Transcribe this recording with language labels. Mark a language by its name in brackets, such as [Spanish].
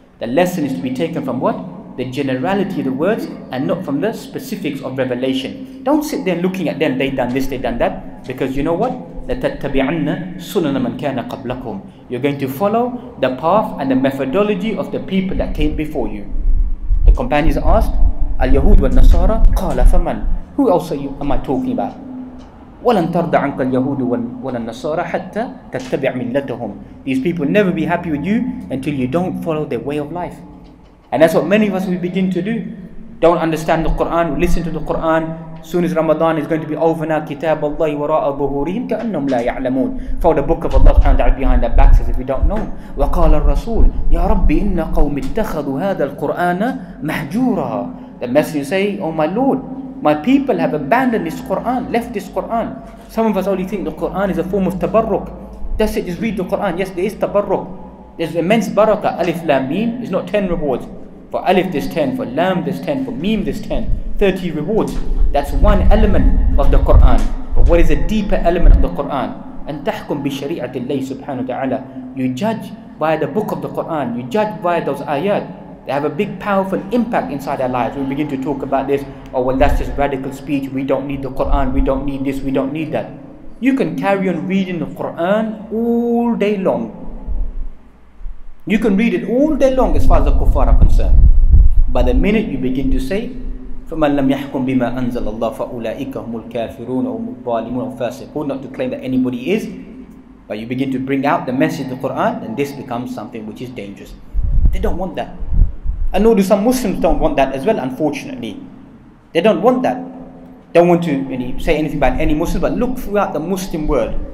[English] The lesson is to be taken from what? The generality of the words and not from the specifics of revelation. Don't sit there looking at them, they done this, they done that. Because you know what? [Arabic] لَتَتَّبِعَنَّ سُنَنَ مَنْ كَانَ قَبْلَكُمْ. [English] You're going to follow the path and the methodology of the people that came before you. The companions asked, [Arabic] الْيَهُودُ وَالنَّصَارَى قَالَ فَمَنْ. [English] Who else are you, am I talking about? [Arabic] وَلَنْ تَرْضَ عَنْكَ الْيَهُودُ وَالنَّصَارَى حَتَّى تَتَّبِعْ مِلَّتَهُمْ. [English] These people never be happy with you until you don't follow their way of life. And that's what many of us will begin to do. Don't understand the Quran, listen to the Quran. Soon as Ramadan is going to be over now, [Arabic] كِتَابَ اللَّهِ وَرَاءَ ظُهُورِهِمْ كَأَنَّهُمْ لَا يَعْلَمُونَ. [English] For the book of Allah behind their backs as if we don't know. [Arabic] وَقَالَ الرَّسُولُ يَا رَبِّ إِنَّ قَوْمِ اتَّخَذُوا هَذَا الْقُرْآنَ مَحْجُورًا. [English] The messenger say, oh my Lord, my people have abandoned this Quran, left this Quran. Some of us only think the Quran is a form of tabarruk. That's it, just read the Quran. Yes, there is tabarruk. There's immense barakah. Alif, lam, meem. It's not 10 rewards. For alif, there's 10. For lam, there's 10. For meem, there's 10. 30 rewards. That's one element of the Quran. But what is a deeper element of the Quran? [Arabic] أن تحكم بشريعة الله سبحانه وتعالى. [English] You judge by the book of the Quran. You judge by those ayat. They have a big powerful impact inside our lives. We begin to talk about this. Oh, well, that's just radical speech. We don't need the Quran. We don't need this. We don't need that. You can carry on reading the Quran all day long. You can read it all day long as far as the kuffar are concerned. By the minute you begin to say, [Arabic] فَمَنْ لَمْ يَحْكُمْ بِمَا أَنزَلَ اللَّهُ فَأُولَٰئِكَ هُمُ الْكَافِرُونَ أَوْ مُبَالِمُونَ فَاسِقُونَ. [English] Not to claim that anybody is, but you begin to bring out the message of the Quran, then this becomes something which is dangerous. They don't want that. And nor do some Muslims don't want that as well, unfortunately. They don't want that. Don't want to say anything about any Muslim, but look throughout the Muslim world.